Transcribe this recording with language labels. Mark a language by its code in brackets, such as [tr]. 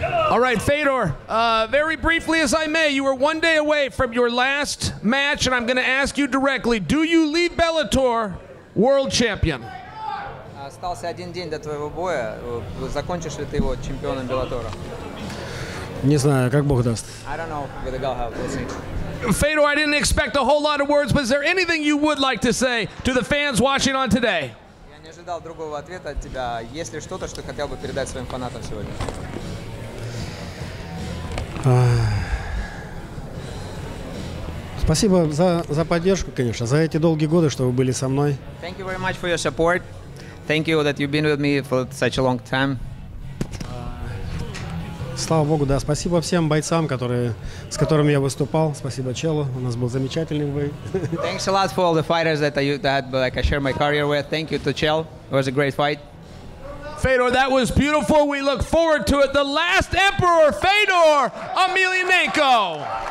[en] All right, Fedor, very briefly as I may, you were one day away from your last match, and I'm going to ask you directly, do you leave Bellator world champion? [ru] Остался один день до твоего боя. Закончишь ли ты его чемпионом Беллатора? Не знаю, как Бог даст. [en] I don't know, with the God help, we'll see. Fedor, I didn't expect a whole lot of words, but is there anything you would like to say to the fans watching on today? [ru] Я не ожидал другого ответа от тебя. Есть ли что-то, что хотел бы передать своим фанатам сегодня? Спасибо за поддержку, конечно, за эти долгие годы, что вы были со мной. [en] Thank you very much for your support. Thank you that you've been with me for such a long time. [ru] Слава Богу, да. Спасибо всем бойцам, с которыми я выступал. Спасибо Челу. У нас был замечательный бой. [en] Thanks a lot for all the fighters that I share my career with. Thank you to Chel. It was a great fight. Fedor, that was beautiful. We look forward to it. The last emperor, Fedor Emelianenko.